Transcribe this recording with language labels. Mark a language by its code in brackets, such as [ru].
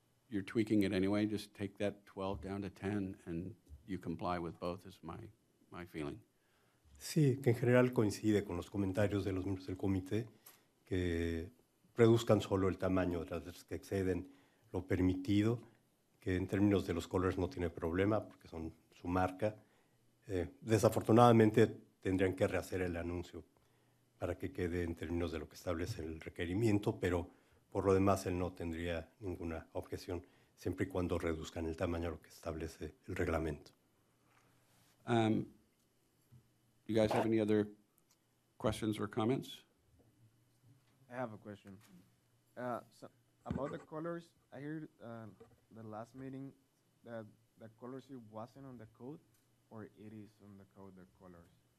[en] You're tweaking it anyway. Just take that 12 down to 10, and you comply with both is my feeling. [es] Sí, que en general coincide con los comentarios de los miembros del comité, que reduzcan solo el tamaño de las letras que exceden lo permitido, que en términos de los colores no tiene problema, porque son su marca. Desafortunadamente, tendrían que rehacer el anuncio para que quede en términos de lo que establece el requerimiento, pero por lo demás, él no tendría ninguna objeción, siempre y cuando reduzcan el tamaño a lo que establece el reglamento. [en] You guys have any other questions or comments? I have a question. So about the colors, I heard the last meeting that the colors wasn't on the code, or it is on the code, the colors?